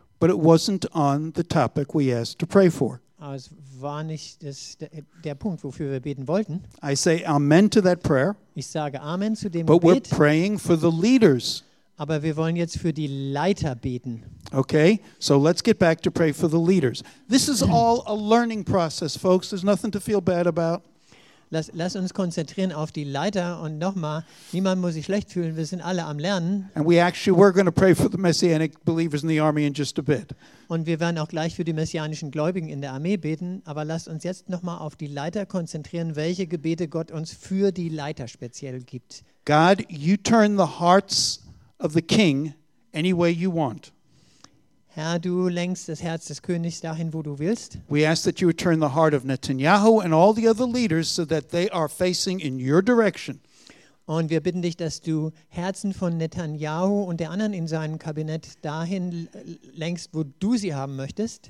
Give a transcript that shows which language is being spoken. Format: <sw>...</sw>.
<en>But it wasn't on the topic we asked to pray for.</en> <de>Aber es war nicht das, der Punkt, wofür wir beten wollten.</de> <en>I say amen to that prayer.</en> <de>Ich sage Amen zu dem</de> <en>but</en> <de>Gebet.</de> <en>But we're praying for the leaders.</en> <de>Aber wir wollen jetzt für die Leiter beten.</de> <en>Okay, so let's get back to pray for the leaders. This is all a learning process, folks. There's nothing to feel bad about.</en> <de>Lass uns konzentrieren auf die Leiter und nochmal, niemand muss sich schlecht fühlen, wir sind alle am Lernen.</de> <en>And we actually were going to pray for the messianic believers in the army in just a bit.</en> <de>Und wir werden auch gleich für die messianischen Gläubigen in der Armee beten, aber lasst uns jetzt nochmal auf die Leiter konzentrieren, welche Gebete Gott uns für die Leiter speziell gibt.</de> <en>God, you turn the hearts of the king any way you want.</en> <de>Herr, du lenkst das Herz des Königs dahin, wo du willst.</de> <en>We ask that you would turn the heart of Netanyahu and all the other leaders so that they are facing in your direction.</en> <de>Und wir bitten dich, dass du Herzen von Netanyahu und der anderen in seinem Kabinett dahin lenkst, wo du sie haben möchtest.</de>